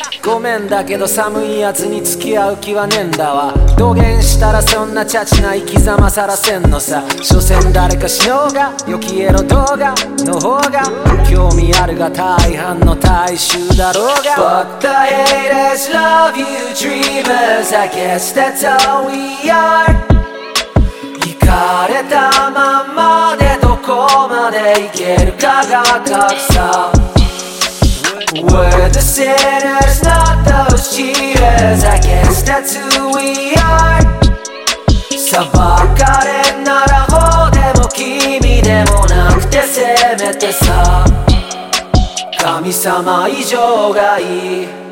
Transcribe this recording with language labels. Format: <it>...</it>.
<ja>ごめんだけど寒いやつに付き合う気はねえんだわ土下座したらそんなチャチな生き様さらせんのさ所詮誰か死のうが良きエロ動画の方が興味あるが大半の大衆だろうが</ja> <en>Fuck the haters, love you dreamers, I guess that's all we are。</en> <ja>イカれたまんまでどこまで行けるかが格差。</ja> <en>We're the sinners, not those cheaters, I guess that's who we are。</en> <ja>裁かれんなら法でも君でもなくてせめてさ、神様以上がいい。</ja>